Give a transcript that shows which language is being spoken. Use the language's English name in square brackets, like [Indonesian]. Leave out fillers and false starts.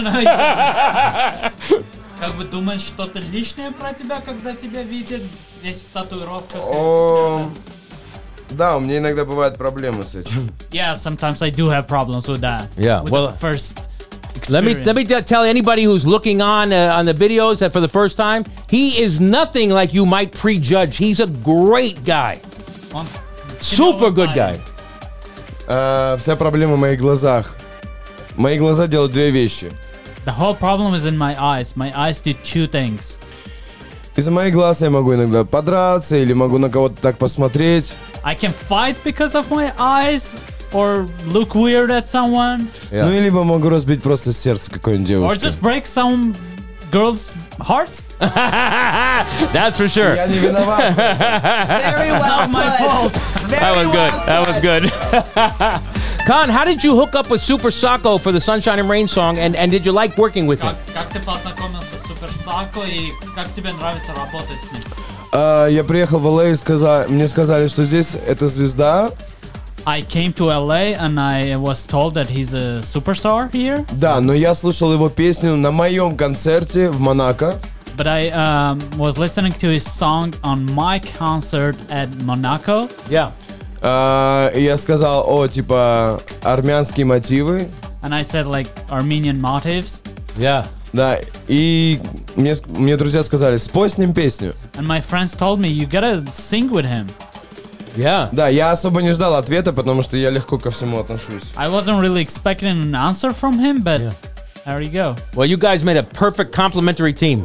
[Russian] Как бы думаешь что-то лишнее про тебя, когда тебя видят весь в татуировках? Да, у меня иногда бывают проблемы с этим. [English] Yeah, sometimes I do have problems with that. Yeah, with well, the first. Let me tell anybody who's looking on the videos that for the first time, he is nothing like you might prejudge. He's a great guy, super good guy. [Russian] Вся проблема в моих глазах. Мои глаза делают две вещи. [English] The whole problem is in my eyes. My eyes did two things. [Russian] Из-за моих глаз я могу иногда подраться или могу на кого-то так посмотреть. [English] I can fight because of my eyes or look weird at someone. Yeah. [Russian] Ну либо могу разбить просто сердце какой-нибудь девушки. [English] Or just break some girl's heart. That's for sure. [Russian] Я не виноват. [English] Very well put. My fault. Very that was well good. Put. That was good. Khan, how did you hook up with Super Sako for the Sunshine and Rain song, and did you like working with him? [Russian] Как ты познакомился с Super Sako и как тебе нравится работать с ним? Я приехал в LA и мне сказали, что здесь это звезда. [English] I came to LA and I was told that he's a superstar here. [Russian] Да, но я слушал его песню на моем концерте в Монако. [English] But I was listening to his song on my concert at Monaco. Yeah. [Russian] Я сказал, о, типа, армянские мотивы. [English] And I said, like, Armenian motives. Yeah. [Russian] Да, и мне друзья сказали, спой с ним песню. [English] And my friends told me, you gotta sing with him. Yeah. [Russian] Да, я особо не ждал ответа, потому что я легко ко всему отношусь. [English] I wasn't really expecting an answer from him, but yeah. There you go. Well, you guys made a perfect complementary team.